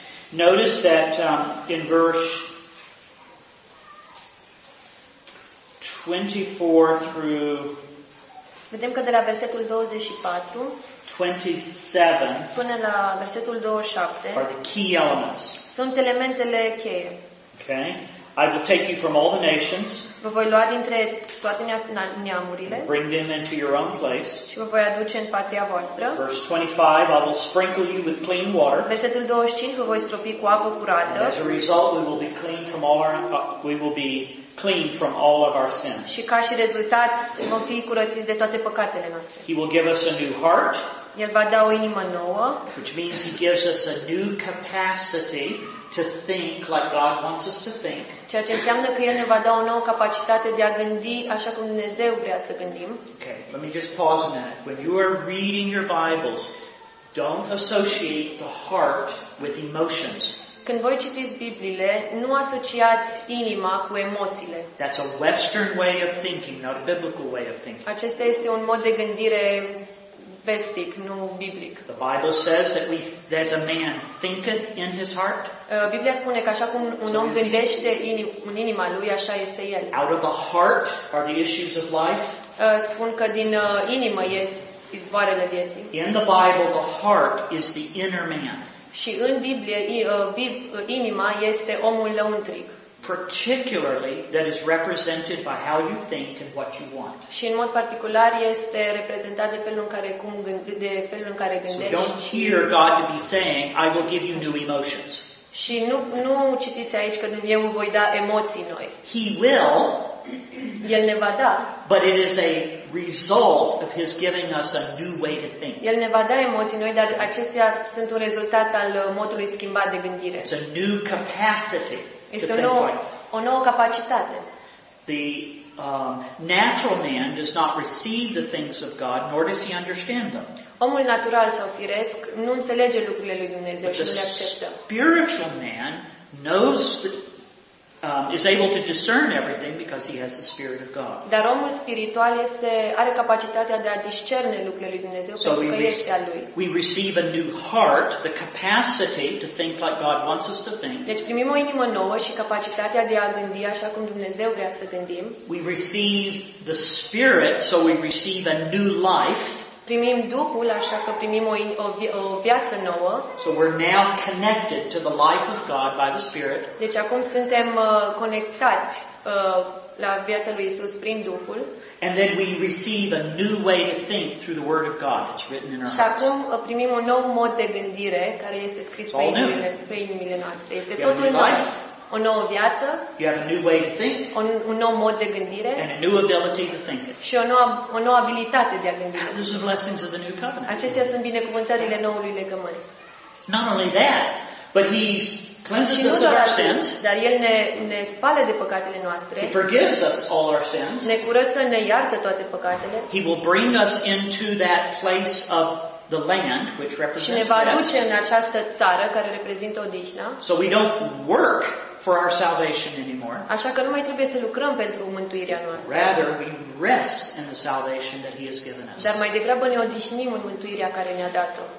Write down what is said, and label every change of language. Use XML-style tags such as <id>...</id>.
<en>Notice that in verse 24 through...</en> <ro>Vedem că de la versetul 24 27 până la versetul 27</ro> <en>are the key elements.</en> <ro>Sunt elementele cheie.</ro> <en>Okay. I will take you from all the nations.</en> <ro>Vă voi lua dintre toate neamurile.</ro> <en>Bring them into your own place.</en> <ro>Și vă voi aduce în patria voastră.</ro> <en>Verse 25, I will sprinkle you with clean water.</en> <ro>Versetul 25, vă voi stropi cu apă curată.</ro> <en>And as a result, we will be clean from all our clean from all of our sins.</en> <ro>Și ca și rezultat, vom fi curățiți de toate păcatele noastre.</ro> <en>He will give us a new heart.</en> <ro>El va da o inimă nouă.</ro> <en>Which means he gives us a new capacity to think like God wants us to think.</en> <ro>Ceea ce înseamnă că El ne va da o nouă capacitate de a gândi așa cum Dumnezeu vrea să gândim.</ro> <en>Okay, let me just pause a minute. When you are reading your Bibles, don't associate the heart with emotions.</en> <ro>Când voi citiți Bibliile, nu asociați inima cu emoțiile.</ro> <en>That's a Western way of thinking, not a biblical way of thinking.</en> <ro>Acesta este un mod de gândire vestic, nu biblic.</ro> <en>The Bible says that there's a man thinketh in his heart.</en> <ro>Biblia spune că așa cum un om gândește în inima lui, așa este el.</ro> <en>Out of the heart are the issues of life.</en> <ro>Spun că din inimă ies izvoarele vieții.</ro> <en>In the Bible, the heart is the inner man.</en> <ro>Și în Biblie inima este omul lăuntric.</ro> <en>Particularly that is represented by how you think and what you want.</en> <ro>Și în mod particular este reprezentat de felul în care gândești.</ro> <en>So don't hear God to be saying, I will give you new emotions.</en> <ro>Și nu citiți aici că eu voi da emoții noi.</ro> <en>He will.</en> <ro>El ne va da.</ro> <en>But it is a result of his giving us a new way to think.</en> <ro>El ne va da emoții noi, dar acestea sunt un rezultat al modului schimbat de gândire.</ro> <en>It's a new capacity.</en> <ro>Este o nouă capacitate.</ro> <en>The natural man does not receive the things of God, nor does he understand them.</en> <ro>Omul natural sau firesc nu înțelege lucrurile lui Dumnezeu și nu le acceptă.</ro> <en>Spiritual man knows is able to discern everything because he has the Spirit of God.</en> <ro>Dar omul spiritual are capacitatea de a discerne lucrurile lui Dumnezeu pentru că este al lui.</ro> <en>We receive a new heart, the capacity to think like God wants us to think.</en> <ro>Deci primim o inimă nouă și capacitatea de a gândi așa cum Dumnezeu vrea să gândim.</ro> <en>We receive the Spirit, so we receive a new life.</en> <ro>Primim Duhul, așa că primim o viață nouă.</ro> <en>So we're now connected to the life of God by the Spirit.</en> <ro>Deci acum suntem conectați la viața lui Isus prin Duhul.</ro> <en>And then we receive a new way to think through the Word of God. It's written in our</en> <ro>hearts. Și acum primim un nou mod de gândire care este scris pe inimile noastre. Este totul nou. O nouă viață.</ro> <en>You have a new way to think.</en> <ro>Un nou mod de gândire.</ro> <en>And a new ability to think.</en> <ro>Și o nouă abilitate de a gândi.</ro> <en>These are blessings of the new covenant.</en> <ro>Acestea sunt binecuvântările noului legământ.</ro> <en>Not only that, but he cleanses us of our sins.</en> <ro>Dar el ne spală de păcatele noastre.</ro> <en>He forgives us all our sins.</en> <ro>Ne curăță, ne iartă toate păcatele.</ro> <en>He will bring us into that place of the land which represents</en> <ro>rest. Și ne va aduce în această țară care reprezintă odihna.</ro> <en>So we don't work for our salvation anymore.</en> <ro>Așa că nu mai trebuie să lucrăm pentru mântuirea noastră.</ro> <en>Rather we rest in the salvation that he has given us.</en> <ro>Dar mai degrabă ne odihnim în mântuirea care ne-a dat-o.</ro>